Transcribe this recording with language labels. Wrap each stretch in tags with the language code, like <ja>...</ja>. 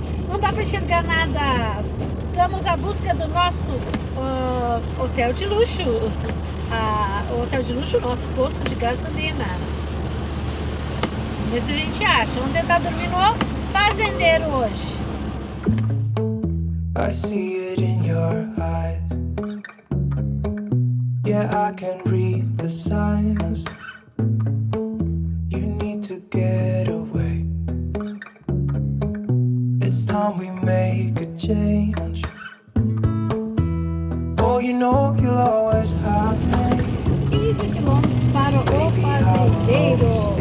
<pt>Não dá pra enxergar nada. Estamos à busca do nosso hotel de luxo. O hotel de luxo, nosso posto de gasolina. Vê se a gente acha. Vamos tentar dormir no fazendeiro hoje.</pt> <en>I see it in your eyes. Yeah, I can read the signs. You need to get away. It's time we make a change. Oh, you know you'll always have me.</en> <pt>15 quilômetros para o parceiro.</pt>